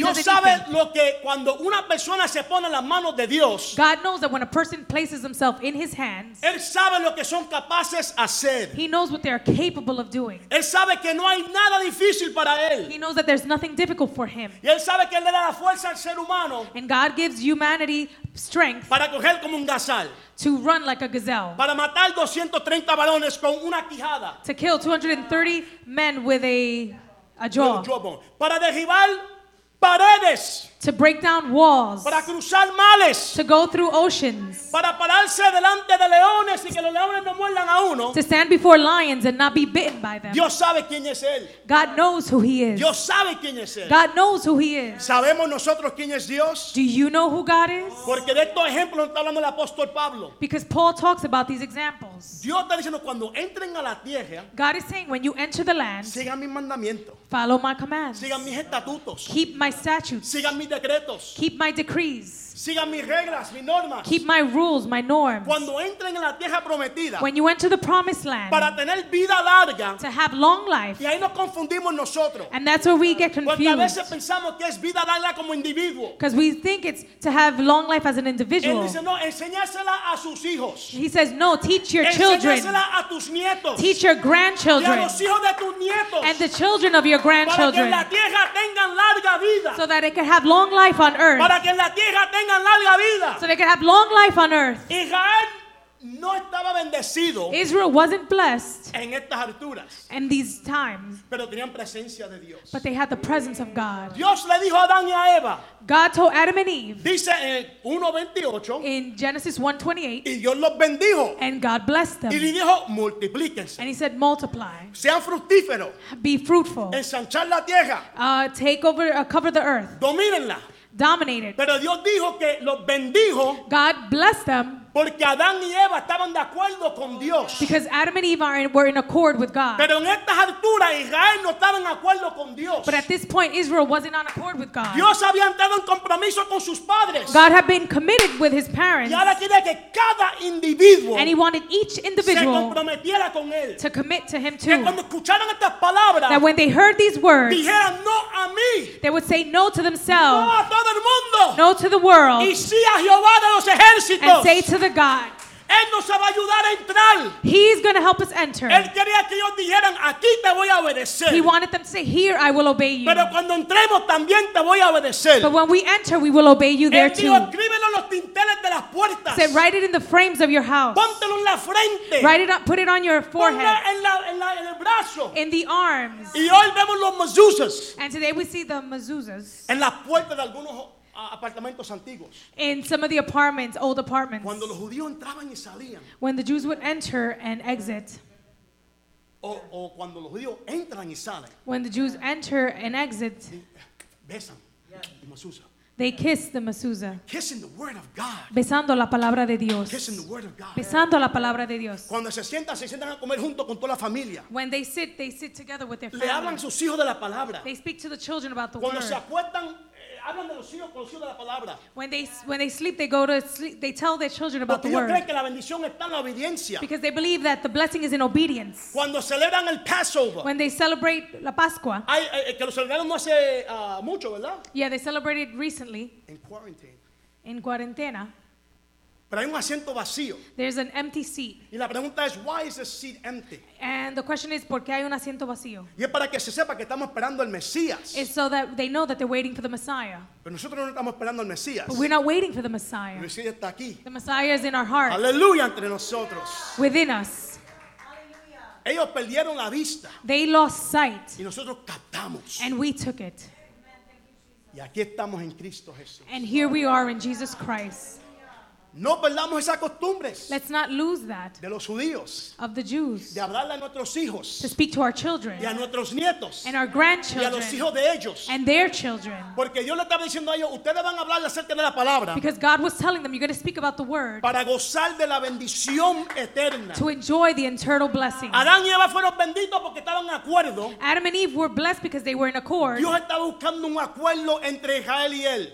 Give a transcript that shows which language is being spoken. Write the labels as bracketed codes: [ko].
[es] Dios sabe lo que cuando una persona se pone en las manos de Dios. [en] God knows that when a person places himself in his hands. [es] Él sabe lo que son capaces hacer. [en] He knows what they are capable of doing. [es] Él sabe que no hay nada difícil para él. [en] He knows that there's nothing difficult for him. [es] Y él sabe que él le da la fuerza al ser humano. [en] And God gives humanity strength. [es] Para coger como un gazal. [en] To run like a gazelle. [es] Para matar 230 varones con una quijada. [en] To kill 230 men with a jaw. [es] Para derribar paredes. [en] To break down walls. [es] Para cruzar males. [en] To go through oceans. [es] Para pararse delante de leones y que los leones no muerdan a uno. [en] To stand before lions and not be bitten by them. [es] Dios sabe quién es él. [en] God knows who he is. [es] Dios sabe quién es él. [en] God knows who he is. [es] ¿Sabemos nosotros quién es Dios? [en] Do you know who God is? [es] Porque de estos ejemplos está hablando el apóstol Pablo. [en] Because Paul talks about these examples. [es] Dios está diciendo cuando entren a la tierra. [en] God is saying when you enter the land. [es] Sigan mis mandamientos. [en] Follow my commands. [es] Sigan mis estatutos. [en] Keep my statutes. [es] Sigan mis decretos. [en] Keep my decrees. [es] Sigan mis reglas, mis normas. [en] Keep my rules, my norms. [es] Cuando entren en la tierra prometida. [en] When you enter the promised land. [es] Para tener vida larga. [en] To have long life. [es] Y ahí nos confundimos nosotros. [en] And that's where we get confused. [es] Porque a veces pensamos que es vida larga como individuo. [en] Because we think it's to have long life as an individual. [es] Él dice no, enséñasela a sus hijos. [en] He says no, teach your children. [es] Enséñasela a tus nietos. [en] Teach your grandchildren. [es] Y a los hijos de tus nietos. [en] And the children of your grandchildren. [es] Para que en la tierra tengan larga vida. [en] So that they can have long life on earth. [es] Para que en la tierra tengan [en] so they could have long life on earth. [es] Israel, no estaba bendecido. [en] Israel wasn't blessed [es] en estas alturas. [en] In these times. [es] Pero tenían presencia de Dios. [en] But they had the presence of God. [es] Dios le dijo a Adán y a Eva. [en] God told Adam and Eve. [es] Dice en 1:28. [en] In Genesis 1:28. [es] Y Dios los bendijo. [en] And God blessed them. [es] Y le dijo, multiplíquense. [en] And he said, multiply. [es] Sean fructíferos. [en] Be fruitful. [es] Ensanchar la tierra. [en] Take over, cover the earth. [es] Domínenla. [en] Dominated. [es] Pero Dios dijo que los bendijo. [en] God blessed them. [es] Porque Adán y Eva estaban de acuerdo con Dios. [en] Because Adam and Eve were in accord with God. [es] Pero en estas alturas Israel no estaba en acuerdo con Dios. [en] But at this point Israel wasn't on accord with God. [es] Dios había entrado en compromiso con sus padres. [en] God had been committed with his parents. [es] Y ahora quería que cada individuo. [en] And he wanted each individual. [es] Se comprometiera con él. [en] To commit to him too. [es] Que cuando escucharan estas palabras. [en] That when they heard these words. [es] Dijeran no a mí. [en] They would say no to themselves. [es] No a todo el mundo. [en] No to the world. [es] Y sí a Jehová de los ejércitos. [en] And say to the God. [es] He Él nos va a ayudar a entrar. [en] He's going to help us enter. [es] Él quería que ellos dijeran, aquí te voy a obedecer. [en] He wanted them to say, here I will obey you. [es] Pero cuando entremos, también te voy a obedecer. [en] But when we enter, we will obey you there too. [es] Escríbelo en los tinteles de las puertas. [en] Said, write it in the frames of your house. [es] Póntelo en la frente. [en] Write it up, put it on your forehead. [es] En el brazo. [en] In the arms. [es] Y hoy vemos los mezuzas. [en] And today we see the mezuzas. [es] En las puertas de algunos apartamentos antiguos. [en] In some of the apartments, old apartments. [es] Cuando los judíos entraban y salían. [en] When the Jews would enter and exit. [es] O cuando los judíos entran y salen. [en] When the Jews enter and exit. [es] Besan la mezuza. [en] They kiss the mezuzah. Kissing the word of God. [es] Besando la palabra de Dios. [en] Kissing the word of God. [es] Besando la palabra de Dios. Cuando se sientan a comer junto con toda la familia. [en] When they sit together with their family. [es] Le hablan a sus hijos de la palabra. [en] They speak to the children about the [es] cuando [en] word. [es] Cuando se acuestan, hablan de los hijos con los hijos de la palabra. [en] When they sleep, they go to sleep. They tell their children about [es] porque [en] the word. [es] Porque ellos creen que la bendición está en la obediencia. [en] Because they believe that the blessing is in obedience. [es] Cuando celebran el Passover. [en] When they celebrate [es] la Pascua. Hay que lo celebraron no hace mucho, ¿verdad? [en] Yeah, they celebrated recently. In quarantine. In [es] cuarentena. Pero hay un asiento vacío. [en] There's an empty seat. [es] Y la pregunta es, [en] why is the seat empty? And the question is, [es] ¿por qué hay un asiento vacío? Y es para que se sepa que estamos esperando al Mesías. [en] It's so that they know that they're waiting for the Messiah. [es] Pero nosotros no estamos esperando al Mesías. [en] But we're not waiting for the Messiah. [es] El Mesías está aquí. [en] The Messiah is in our hearts. [es] Aleluya entre nosotros. [en] Within us. [es] Aleluya. Ellos perdieron la vista. [en] They lost sight. [es] Y nosotros captamos. [en] And we took it. [es] Y aquí estamos en Cristo Jesús. [en] And here we are in Jesus Christ. [es] No perdamos esas costumbres. [en] Let's not lose that. [es] De los judíos. [en] Of the Jews. [es] De hablarle a nuestros hijos. [en] To speak to our children. [es] Y a nuestros nietos. [en] And our grandchildren. [es] Y a los hijos de ellos. [en] And their children. [es] Porque Dios le estaba diciendo a ellos, ustedes van a hablar acerca de la palabra. [en] Because God was telling them, you're going to speak about the word. [es] Para gozar de la bendición eterna. [en] To enjoy the eternal blessing. [es] Adán y Eva fueron benditos porque estaban en acuerdo. [en] Adam and Eve were blessed because they were in accord. [es] Dios estaba buscando un acuerdo entre Israel y él.